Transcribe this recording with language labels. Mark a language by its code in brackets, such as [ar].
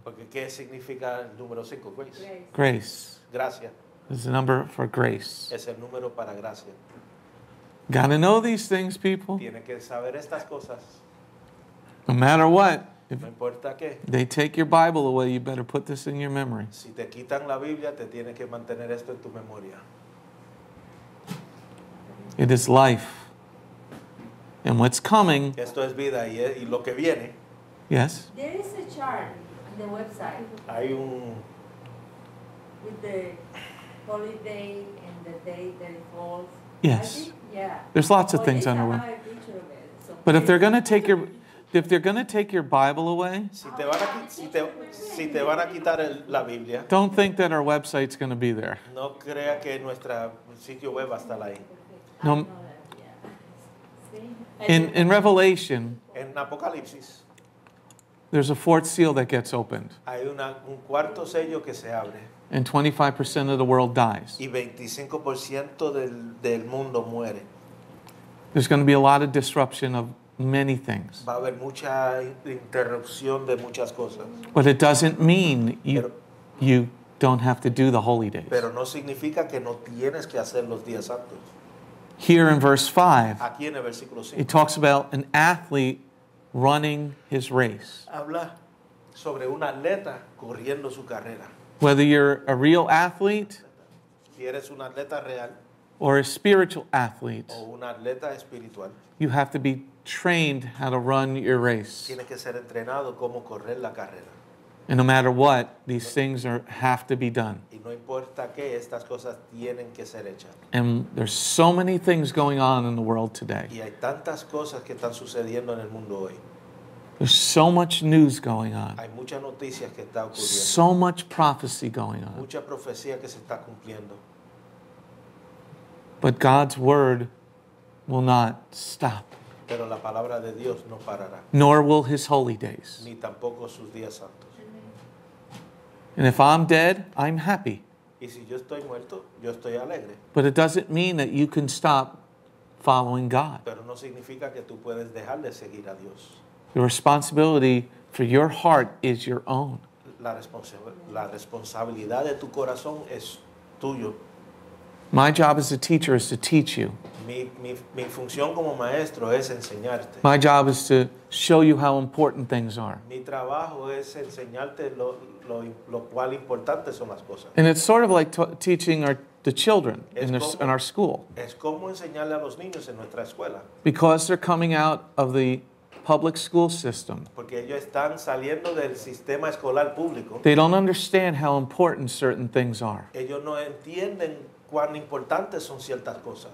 [es] Porque ¿qué significa el número 5? Grace. [en] Grace. [es] Gracia. [en] It's the number for grace. [es] Es el número para gracia. [en] Got to know these things, people. [es] Tiene que saber estas cosas. [en] No matter what. [es] If no importa qué. [en] They take your Bible away, you better put this in your memory. [es] Si te quitan la Biblia, te tiene que mantener esto en tu memoria. [en] It is life. And what's coming. [es] Esto es vida y lo que viene. [en] Yes. There is a chart on the website. [es] Hay un... [en] With the holiday and the day that it falls. Yes. I think, yeah. There's lots of things on the web. But if they're going to take your... If they're going to take your Bible away, don't think that our website's going to be there. [es] No crea que nuestro sitio web va a estar ahí. No. [en] In Revelation, [es] en Apocalipsis, [en] there's a fourth seal that gets opened. [es] Hay un cuarto sello que se abre. [en] And 25% of the world dies. [es] Y 25% del mundo muere. [en] There's going to be a lot of disruption of many things. [es] Va a haber mucha interrupción de muchas cosas. [en] But it doesn't mean you don't have to do the holy days. [es] Pero no significa que no tienes que hacer los días santos. [en] Here in verse 5, [es] aquí en el versículo 5, [en] it talks about an athlete running his race. [es] Habla sobre un atleta corriendo su carrera. [en] Whether you're a real athlete, [es] si eres un atleta real, [en] or a spiritual athlete, [es] o un atleta espiritual, [en] you have to be trained how to run your race. [es] Tiene que ser entrenado cómo correr la carrera. [en] And no matter what, these things have to be done. [es] Y no importa qué, estas cosas tienen que ser hechas. [en] And there's so many things going on in the world today. [es] Y hay tantas cosas que están sucediendo en el mundo hoy. [en] There's so much news going on. [es] Hay mucha noticia que está ocurriendo. [en] So much prophecy going on. [es] Mucha profecía que se está cumpliendo. [en] But God's word will not stop. [es] Pero la palabra de Dios no parará. [en] Nor will his holy days. [es] Ni tampoco sus días santos. [en] And if I'm dead, I'm happy. [es] Y si yo estoy muerto, yo estoy alegre. [en] But it doesn't mean that you can stop following God. [es] Pero no significa que tú puedes dejar de seguir a Dios. [en] The responsibility for your heart is your own. [es] La responsabilidad de tu corazón es tuyo. [en] My job as a teacher is to teach you. [es] Mi función como maestro es enseñarte. [en] My job is to show you how important things are. [es] Mi trabajo es enseñarte lo cual importante son las cosas. [en] And it's sort of like teaching the children in our school. [es] Es como enseñarle a los niños en nuestra escuela. [en] Because they're coming out of the public school system. [es] Porque ellos están saliendo del sistema escolar público. [en] They don't understand how important certain things are. [es] Ellos no entienden cuán importantes son ciertas cosas.